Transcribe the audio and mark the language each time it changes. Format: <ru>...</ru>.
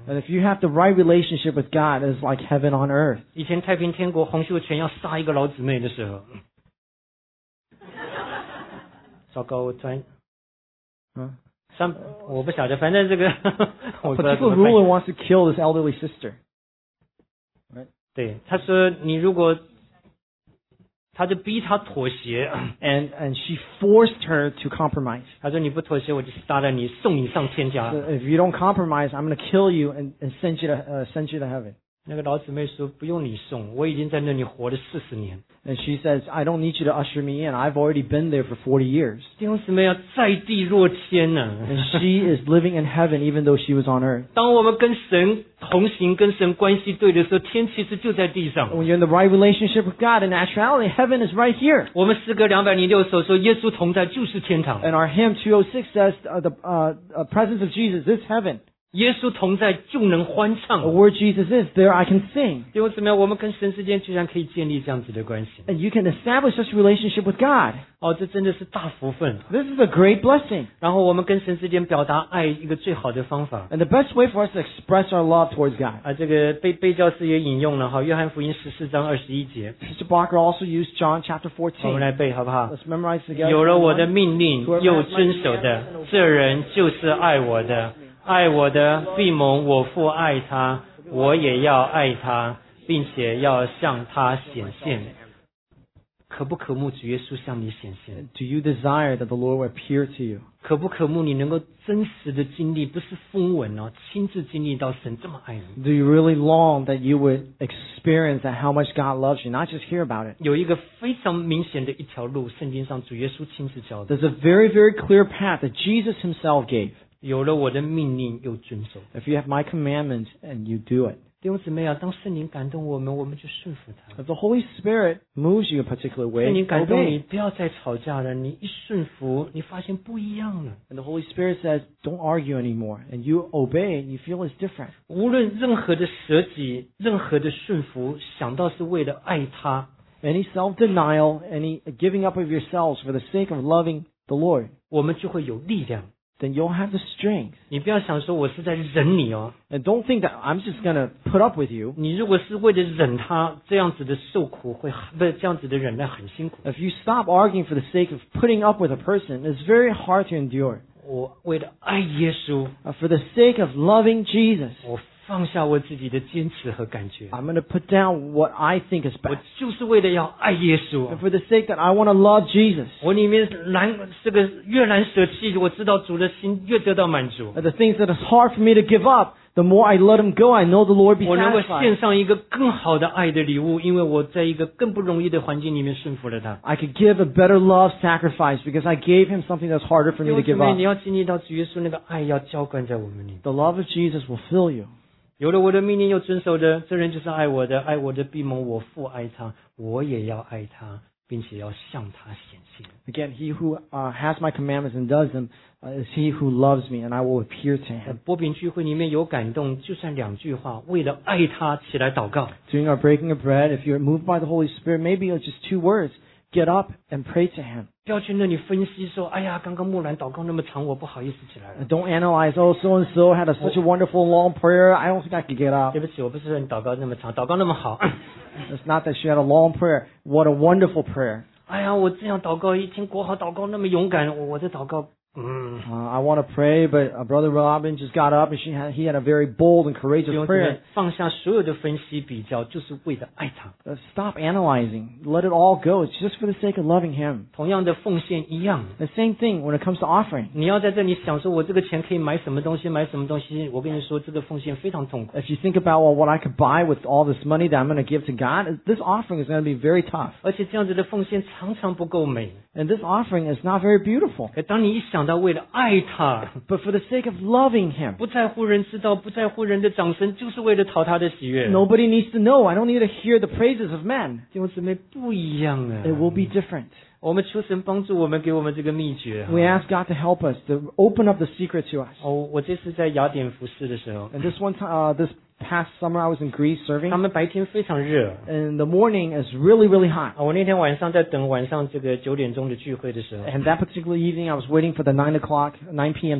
<en>And if you have the right relationship with God, it's like heaven on earth.</en> <zh>以前太平天国洪秀全要杀一个老姊妹的时候，糟糕，我突然，我不晓得，反正这个，</zh> <en>Particular ruler wants to kill this elderly sister. Right?</en> <zh>对，他说你如果他就逼他妥协</zh> <en>and she forced her to compromise.</en> <zh>他说你不妥协我就杀了你送你上天家。</zh> <en>So if you don't compromise, I'm going to kill you and send you to heaven.</en> <zh>那个老姊妹说不用你送我已经在那里活了40年。</zh> <en>And she says, I don't need you to usher me in. I've already been there for 40 years.</en> <zh>弟兄姊妹要在地若天啊。</zh> <en>And she is living in heaven even though she was on earth.</en> <zh>当我们跟神同行跟神关系对的时候天其实就在地上。</zh> <en>When you're in the right relationship with God, in actuality, heaven is right here.</en> <zh>我们诗歌206首说耶稣同在就是天堂。</zh> <en>And our hymn 206 says, the presence of Jesus is heaven.</en> <zh>耶稣同在就能欢唱。</zh> <en>Where Jesus is, there I can sing.</en> <zh>弟兄姊妹，我们跟神之间居然可以建立这样子的关系。</zh> <en>And you can establish such relationship with God.</en> <zh>哦，这真的是大福分。</zh> <en>This is a great blessing.</en> <zh>然后我们跟神之间表达爱一个最好的方法。</zh> <en>And the best way for us to express our love towards God.</en> <zh>啊，这个贝教师也引用了哈，约翰福音14:21。</zh> <en>Mr. Barker also used John 14.</en> <zh>我们来背好不好</zh> <en>？Let's memorize together.</en> <zh>有了我的命令又遵守的，这人就是爱我的。爱我的必蒙我父爱他我也要爱他并且要向他显现可不可慕主耶稣向你显现</zh> <en>Do you desire that the Lord will appear to you?</en> <zh>可不可慕你能够真实的经历不是风闻哦亲自经历到神这么爱你</zh> <en>Do you really long that you would experience how much God loves you, not just hear about it?</en> <zh>有一个非常明显的一条路圣经上主耶稣亲自教的</zh> <en>There's a very, very clear path that Jesus himself gave.</en> <zh>有了我的命令又遵守。</zh> <en>If you have my commandments and you do it.</en> <zh>弟兄姊妹啊，当圣灵感动我们，我们就顺服他。</zh> <en>If the Holy Spirit moves you a particular way,</en> <zh>圣灵感动你，不要再吵架了。你一顺服，你发现不一样了。</zh> <en>And the Holy Spirit says, don't argue anymore. And you obey, you feel it's different.</en> <zh>无论任何的舍己，任何的顺服，想到是为了爱他。</zh> <en>Any self-denial, any giving up of yourselves for the sake of loving the Lord.</en> <zh>我们就会有力量。</zh> <en>Then you'll have the strength.</en> <zh>你不要想说我是在忍你哦。</zh> <en>And don't think that I'm just going to put up with you.</en> <zh>你如果是为了忍他这样子的受苦会不是这样子的忍耐很辛苦。</zh> <en>If you stop arguing for the sake of putting up with a person, it's very hard to endure.</en> <zh>我为了爱耶稣。</zh> <en>For the sake of loving Jesus.</en> <zh>我放下我自己的坚持和感觉。</zh> <en>I'm going to put down what I think is best.</en> <zh>我就是为了要爱耶稣。</zh> <en>And for the sake that I want to love Jesus.</en> <zh>我里面难这个越难舍弃，我知道主的心越得到满足。</zh> <en>And the things that is hard for me to give up, the more I let them go, I know the Lord be satisfied.</en> <zh>我能够献上一个更好的爱的礼物，因为我在一个更不容易的环境里面顺服了他。</zh> <en>I could give a better love sacrifice because I gave him something that's harder for me to give up.</en> <zh>因为你要经历到主耶稣那个爱要浇灌在我们里。</zh> <en>The love of Jesus will fill you.</en> <zh>有了我的命令又遵守的，这人就是爱我的，爱我的必蒙我父爱他，我也要爱他，并且要向他显现。</zh> <en>Again, he who has my commandments and does them is he who loves me, and I will appear to him.</en> <zh>波饼聚会里面有感动，就算两句话，为了爱他起来祷告。</zh> <en>During our breaking of bread, if you're moved by the Holy Spirit, maybe it's just two words. Get up and pray to him.</en> <zh>不要去那里分析说，哎呀，刚刚木兰祷告那么长，我不好意思起来了。</zh> <en>Don't analyze. Oh, so and so had such a wonderful long prayer. I don't think I can get up.</en> <zh>对不起，我不是说你祷告那么长，祷告那么好。</zh> <en>It's not that she had a long prayer. What a wonderful prayer.</en> <zh>哎呀，我这样祷告，一听国豪祷告那么勇敢，我的祷告。</zh> <en>I want to pray, but Brother Robin just got up and he had a very bold and courageous prayer.</en> <zh>放下所有的分析比较，就是为了爱他。</zh> <en>Stop analyzing. Let it all go. It's just for the sake of loving him.</en> <zh>同样的奉献一样。</zh> <en>The same thing when it comes to offering.</en> <zh>你要在这里想说我这个钱可以买什么东西，买什么东西。我跟你说，这个奉献非常痛苦。</zh> <en>If you think about what I could buy with all this money that I'm going to give to God, this offering is going to be very tough.</en> <zh>而且这样子的奉献常常不够美。</zh> <en>And this offering is not very beautiful.</en> <zh>可当你一想到为了爱他</zh> <en>，But for the sake of loving him，</en> <zh>不在乎人知道，不在乎人的掌声，就是为了讨他的喜悦。</zh> <en>Nobody needs to know. I don't need to hear the praises of men.</en> <zh>弟兄姊妹不一样啊。</zh> <en>It will be different.</en> <zh>我们求神帮助我们，给我们这个秘诀。</zh> <en>We ask God to help us to open up the secret to us.</en> <zh>我这次在雅典服事的时候</zh> <en>，And this one time, this past summer I was in Greece serving.</en> <zh>他们白天非常热。</zh> <en>And the morning is really, really hot.</en> <zh>我那天晚上在等晚上这个九点钟的聚会的时候。</zh> <en>And that particular evening, I was waiting for the 9 o'clock, 9 p.m.</en>